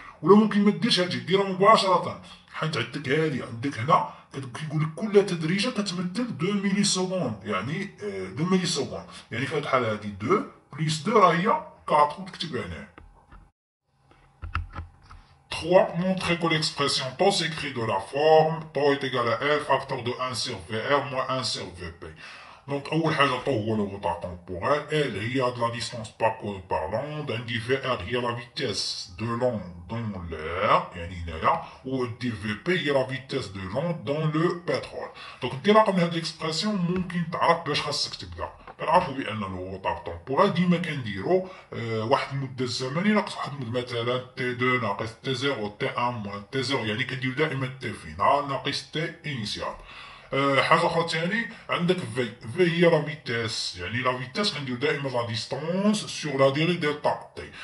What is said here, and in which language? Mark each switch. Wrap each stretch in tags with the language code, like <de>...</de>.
<ar>ولا ممكن ما ديرش هادشي، ديرها مباشرة حيت عندك هادي عندك هنا كيقول لك كل تدريجة كتمثل 2 ملي سكوند، يعني 2 ملي سكوند، يعني في هاد الحالة هادي 2 بليس 2 راه هي 4 وتكتبها هنا 3.</ar> <fr>montrer que l'expression tau s'écrit de la forme tau est égal à L facteur de 1 sur VR moins 1 sur VP. Donc,</fr> <ar>أول حاجة</ar> <fr>tau هو le retard temporel. L هي de la distance parcourue par l'onde.</fr> <ar>عندي</ar> <fr>VR هي la vitesse de l'onde dans l'air.</fr> <ar>يعني هنا يا. و عندي</ar> <fr>VP هي la vitesse de l'onde dans le pétrole.</fr> <ar>Donc, دي رقم هاد الإكسبرسيون ممكن تعرف باش خاصك تبدا. كنعرفو بأن الوطار طومبورال ديما كنديرو واحد المدة الزمنية ناقص واحد المدة، مثلا تي دو ناقص تي زيرو تي ان موان تي زيرو، يعني كنديرو دائما تي فينال ناقص تي انيسيال. حاجة أخرى تاني عندك في، في هي لا فيتيس، يعني لا فيتيس كنديرو دائما لا ديستونس سيغ لا ديري ديال طاق تي.</ar>